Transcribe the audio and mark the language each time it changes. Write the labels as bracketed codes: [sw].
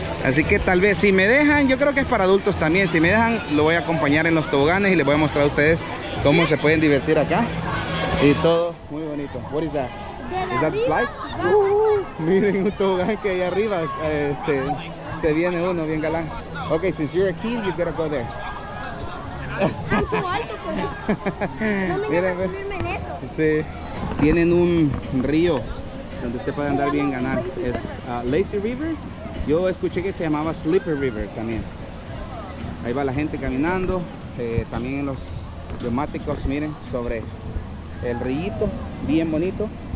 [es] Así que tal vez, si me dejan, yo creo que es para adultos también. Si me dejan, lo voy a acompañar en los toboganes y les voy a mostrar a ustedes cómo se pueden divertir acá. Y todo muy bonito. ¿Qué es eso? ¿Es eso slide? Miren un tobogán que hay arriba. Se viene uno bien galán. [en] Ok, since you're a king, you gotta go there. [es] Ancho alto, pues. No me quiero subirme en eso. Sí. Tienen un río donde usted puede andar bien galán. Es Lazy River. Yo escuché que se llamaba Slipper River también. Ahí va la gente caminando. También los neumáticos, miren, sobre el rillito. Bien bonito.